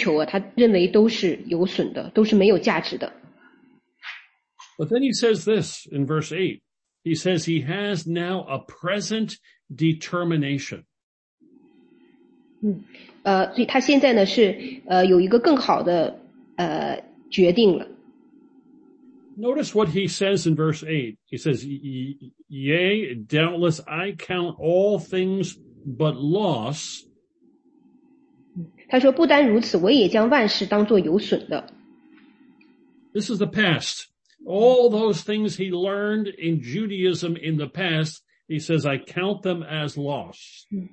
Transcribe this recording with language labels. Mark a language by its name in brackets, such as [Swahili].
[Chinese] 他原来认为有价值的这些东西,属灵的追求,他认为都是有损的,都是没有价值的。 [English] But then he says this in verse 8. He says he has now a present determination. [Chinese] 所以他现在呢,是有一个更好的决定了。 [English] Notice what he says in verse 8. He says, yea, doubtless I count all things but loss. [Chinese] 他说,不单如此,我也将万事当作有损的。 [English] This is the past. All those things he learned in Judaism in the past, he says, I count them as loss.